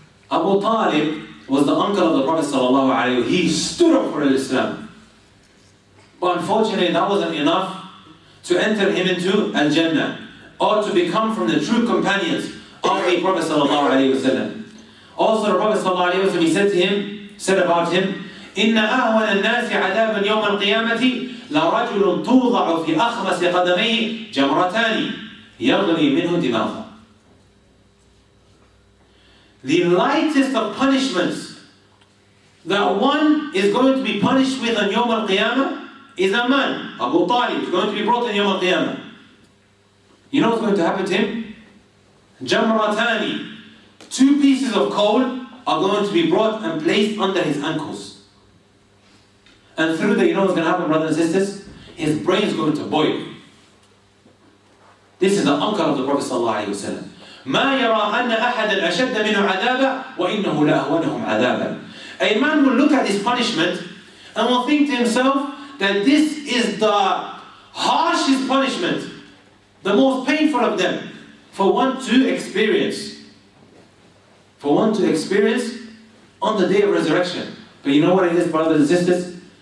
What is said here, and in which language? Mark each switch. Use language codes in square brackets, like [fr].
[en] Abu Talib was the uncle of the Prophet sallallahu alayhi wa sallam. He stood up for Islam. But unfortunately, that wasn't enough to enter him into Al-Jannah or to become from the true companions of the Prophet sallallahu alayhi wa sallam. Also, the Prophet sallallahu alayhi wa sallam, he said to him, said about him, [ar] إِنَّ أَهْوَنَ النَّاسِ عَذَابًا يَوْمَ الْقِيَامَةِ لَرَجُلٌ تُوضَعُ فِي أَخْمَسِ قَدَمَيْهِ جَمْرَتَانِ يَغْلِي مِنْهُ دِمَاغًا. [en] The lightest of punishments that one is going to be punished with on Yawm al-Qiyamah is a man, Abu Talib, going to be brought on Yawm al-Qiyamah. You know what's going to happen to him? جَمْرَتَانِ, two pieces of coal are going to be brought and placed under his ankles. And through that, you know what's going to happen, brothers and sisters? His brain is going to boil. This is the uncle of the Prophet sallallahu alaihi wasallam. [ar] ما يرى أن أحد الأشد منه عذابا وإنه لا أهونهم عذابا. [en] A man will look at his punishment and will think to himself that this is the harshest punishment, the most painful of them, for one to experience. For one to experience on the day of resurrection. But you know what it is, brothers and sisters?